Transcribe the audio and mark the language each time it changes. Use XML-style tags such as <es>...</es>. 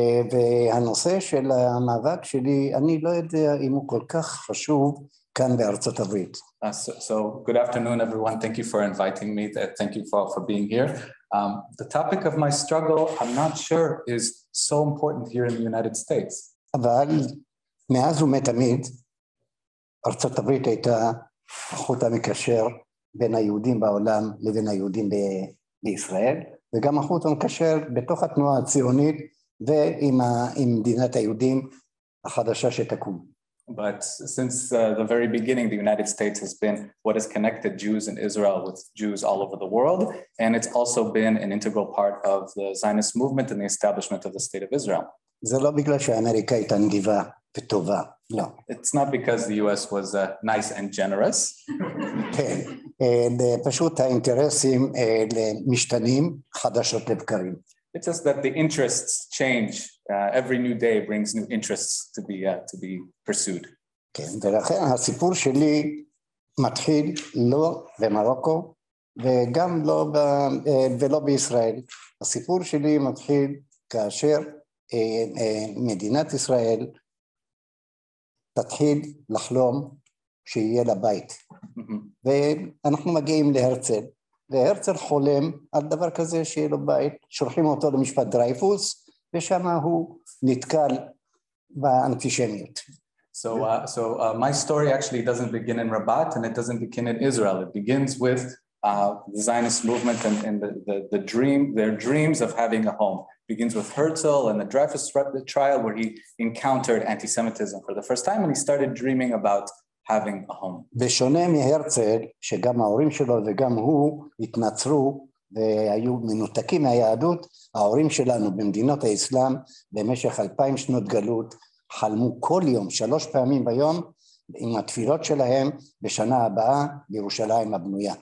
<he>והנושא של המאבק שלי, אני לא יודע אם הוא כל כך חשוב כאן בארצות הברית.</he> <en>So good afternoon, everyone. Thank you for inviting me. Thank you for being here. The topic of my struggle, I'm not sure, is so important here in the United States.</en> <he>אבל מאז ומתמיד, ארצות הברית הייתה החוט המקשר בין היהודים בעולם לבין היהודים בישראל, וגם החוט המקשר בתוך התנועה הציונית ועם מדינת היהודים החדשה שתקום.</he> <en>But since the very beginning, the United States has been what has connected Jews in Israel with Jews all over the world, and it's also been an integral part of the Zionist movement and the establishment of the State of Israel.</en> <he>זה לא בגלל שאמריקה הייתה נדיבה וטובה, לא.</he> <en>It's not because the U.S. was nice and generous.</en> <he>כן, פשוט האינטרסים משתנים חדשות לבקרים.</he> <en>It's just that the interests change. Every new day brings new interests to be pursued.</en> <he>כן, ולכן הסיפור שלי מתחיל לא במרוקו וגם לא ולא בישראל. הסיפור שלי מתחיל כאשר מדינת ישראל תתחיל לחלום שיהיה לה בית. ואנחנו מגיעים להרצל. והרצל חולם על דבר כזה שיהיה לו בית, שולחים אותו למשפט דרייפוס, ושם הוא נתקל באנטישמיות.</he> <en>So my story actually doesn't begin in Rabat and it doesn't begin in Israel. It begins with the Zionist movement and the dream, their dreams of having a home. It begins with Herzl and the Dreyfus trial where he encountered anti-Semitism for the first time and he started dreaming about having a home.</en> <he>בשונה מהרצל, שגם ההורים שלו וגם הוא התנצרו והיו מנותקים מהיהדות, ההורים שלנו במדינות האסלאם במשך 2000 שנות גלות חלמו כל יום, 3 פעמים ביום, עם התפילות שלהם בשנה הבאה בירושלים הבנויה.</he>